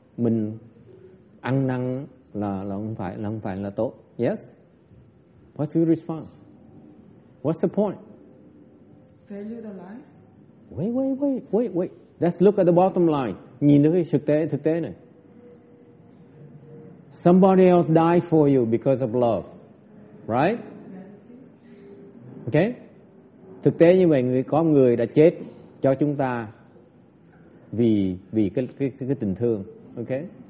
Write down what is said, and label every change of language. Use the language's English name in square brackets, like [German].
[Vietnamese] Mình ăn năn là không phải là tốt. [English] Yes? What's your response? What's the point? Value the life? Wait. Let's look at the bottom line. [Vietnamese] Nhìn được cái thực tế này. [English] Somebody else died for you because of love. Right? Okay? [Vietnamese] Thực tế như vậy, có người đã chết cho chúng ta vì cái tình thương, okay?